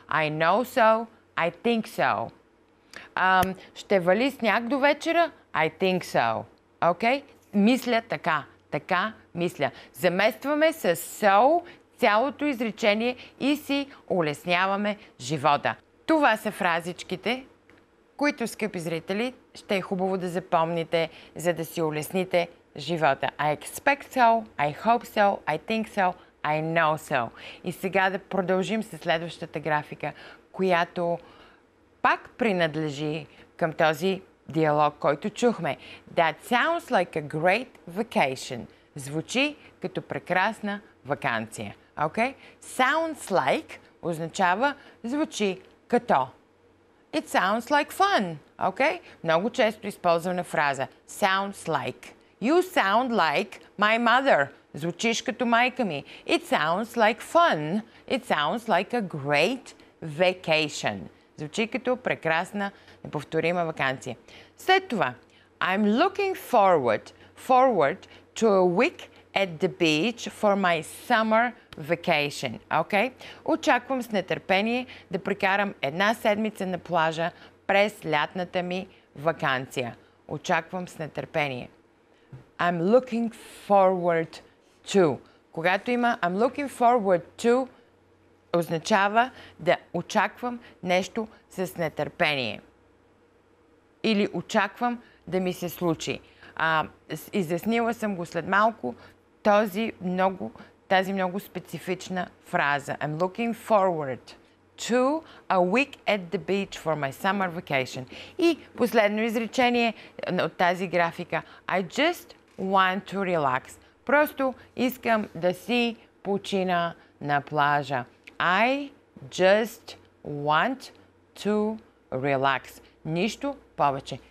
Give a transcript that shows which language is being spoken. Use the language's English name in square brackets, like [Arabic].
[English] I know so. I think so. [Bulgarian] Ще вали сняг до вечера? [English] I think so. Okay? [Bulgarian] Мисля така. Така мисля. Заместваме с so цялото изречение и си улесняваме живота. Това са фразичките, които, скъпи зрители, ще е хубаво да запомните, за да си улесните живота. [English] I expect so, I hope so, I think so, I know so. [Bulgarian] И сега да продължим с следващата графика, която пак принадлежи към този диалог, който чухме. [English] That sounds like a great vacation. [Bulgarian] Звучи като прекрасна ваканция. [English] Okay? [Bulgarian] Sounds like означава звучи като. [English] It sounds like fun. Okay? [Bulgarian] Много често използвана фраза. [English] Sounds like. You sound like my mother. [Bulgarian] Звучиш като майка ми. [English] It sounds like fun. It sounds like a great vacation. [Bulgarian] Звучи като прекрасна, неповторима ваканция. След това, [English] I'm looking forward to a week at the beach for my summer vacation. Okay? [Bulgarian] Очаквам с нетърпение да прекарам една седмица на плажа през лятната ми ваканция. Очаквам с нетърпение. [English] I'm looking forward to. [Bulgarian] Когато има [English] I'm looking forward to, [Bulgarian] означава да очаквам нещо с нетърпение. Или очаквам да ми се случи. Изяснила съм го след малко тази много специфична фраза. [English] I'm looking forward to a week at the beach for my summer vacation. [Bulgarian] И последно изречение от тази графика. [English] I just want to relax. [Bulgarian] Просто искам да си почина на плажа. [English] I just want to relax. [Bulgarian] Нищо повече.